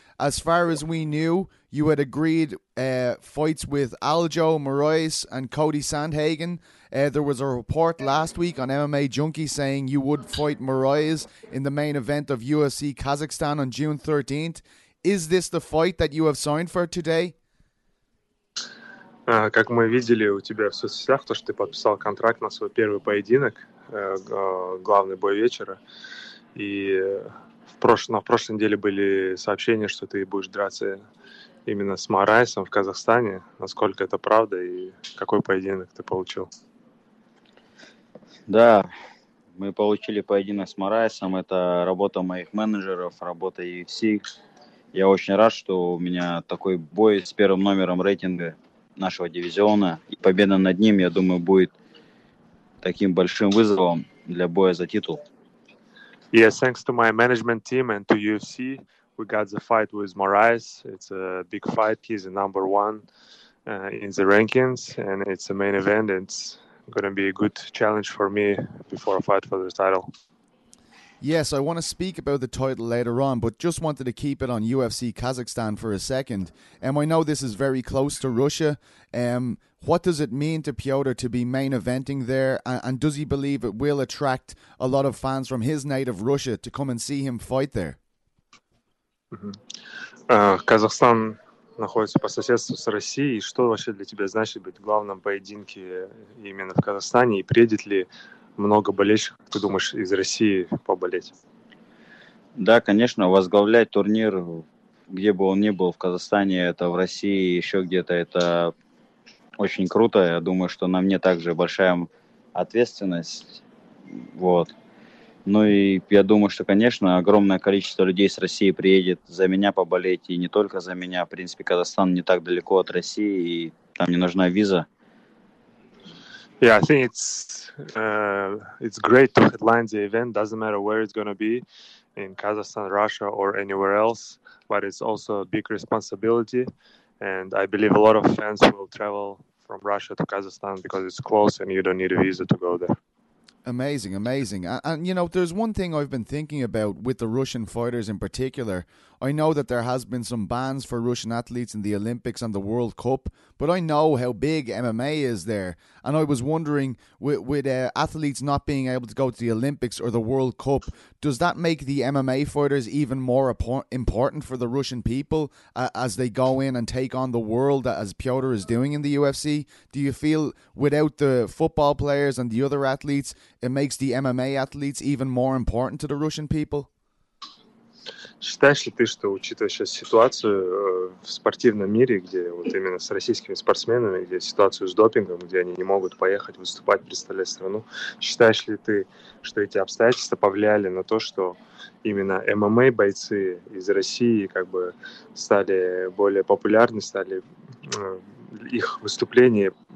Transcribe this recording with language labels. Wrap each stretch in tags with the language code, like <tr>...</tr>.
<en>As far as we knew, you had agreed fights with Aljo Moraes and Cody Sandhagen. There was a report last week on MMA Junkie saying you would fight Moraes in the main event of UFC Kazakhstan on June 13th. Is this the fight that you have signed for today?</en> <ru>Как мы видели у тебя в соцсетях, то, что ты подписал контракт на свой первый поединок, главный бой вечера. И на прошлой неделе были сообщения, что ты будешь драться именно с Морайсом в Казахстане. Насколько это правда и какой поединок ты получил? Да, мы получили поединок с Морайсом. Это работа моих менеджеров, работа UFC. Я очень рад, что у меня такой бой с первым номером рейтинга нашего дивизиона, и победа над ним, я думаю, будет таким большим вызовом для боя за титул.</ru> <en>Yes, thanks to my management team and to UFC, we got the fight with Moraes. It's a big fight. He's the number one in the rankings, and it's a main event. It's going to be a good challenge for me before a fight for the title. Yes, I want to speak about the title later on, but just wanted to keep it on UFC Kazakhstan for a second. I know this is very close to Russia. What does it mean to Piotr to be main eventing there? And does he believe it will attract a lot of fans from his native Russia to come and see him fight there?</en> <ru>Kazakhstan находится по соседству с Россией. Что вообще для тебя значит быть в главном поединке именно в Казахстане? И приедет ли много болельщиков, ты думаешь, из России поболеть? Да, конечно, возглавлять турнир, где бы он ни был, в Казахстане, это в России, еще где-то, это очень круто. Я думаю, что на мне также большая ответственность. Вот. Ну и я думаю, что, конечно, огромное количество людей с России приедет за меня поболеть, и не только за меня. В принципе, Казахстан не так далеко от России, и там не нужна виза.</ru> <en>Yeah, I think it's great to headline the event. Doesn't matter where it's going to be, in Kazakhstan, Russia, or anywhere else. But it's also a big responsibility. And I believe a lot of fans will travel from Russia to Kazakhstan because it's close and you don't need a visa to go there. Amazing, amazing. And, you know, there's one thing I've been thinking about with the Russian fighters in particular. I know that there has been some bans for Russian athletes in the Olympics and the World Cup, but I know how big MMA is there. And I was wondering, with athletes not being able to go to the Olympics or the World Cup, does that make the MMA fighters even more important for the Russian people as they go in and take on the world as Piotr is doing in the UFC? Do you feel without the football players and the other athletes, it makes the MMA athletes even more important to the Russian people?</en> <ru>Считаешь ли ты, что, учитывая сейчас ситуацию в спортивном мире, где вот именно с российскими спортсменами, где ситуацию с допингом, где они не могут поехать выступать, представлять страну, считаешь ли ты, что эти обстоятельства повлияли на то, что именно ММА-бойцы из России как бы стали более популярны, стали их выступления</ru>